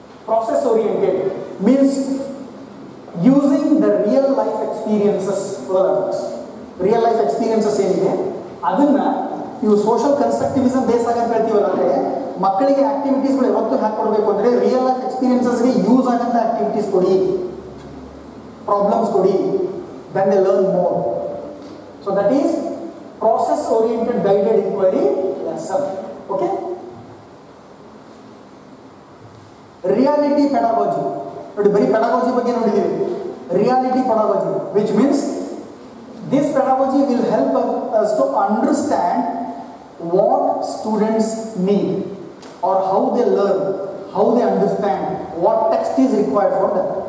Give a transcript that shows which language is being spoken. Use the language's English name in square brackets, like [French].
[English] Process-oriented means using the real-life experiences for the others. [Kannada] Real life experiences ಏನಿದೆ ಅದನ್ನು ನೀವು social constructivism base ಆಗಂತ ಹೇಳ್ತೀವಲ್ಲ, ಅಂದರೆ ಮಕ್ಕಳಿಗೆ ಆಕ್ಟಿವಿಟೀಸ್ಗಳು ಯಾವತ್ತು ಹಾಕ್ಕೊಡ್ಬೇಕು ಅಂದರೆ ರಿಯಲ್ ಲೈಫ್ ಎಕ್ಸ್ಪೀರಿಯನ್ಸಸ್ಗೆ ಯೂಸ್ ಆಗಂತ ಆಕ್ಟಿವಿಟೀಸ್ ಕೊಡಿ, ಪ್ರಾಬ್ಲಮ್ಸ್ ಕೊಡಿ, [English] Then they learn more. So that is process oriented guided inquiry lesson. Okay, [Kannada] reality ಪೆಡಾಗಜಿ ನೋಡಿ, ಬರೀ ಪೆಡಾಗಜಿ ಬಗ್ಗೆ ನೋಡಿದ್ದೀವಿ, [English] Reality pedagogy which means this pedagogy will help us to understand what students need or how they learn, how they understand, what text is required for them.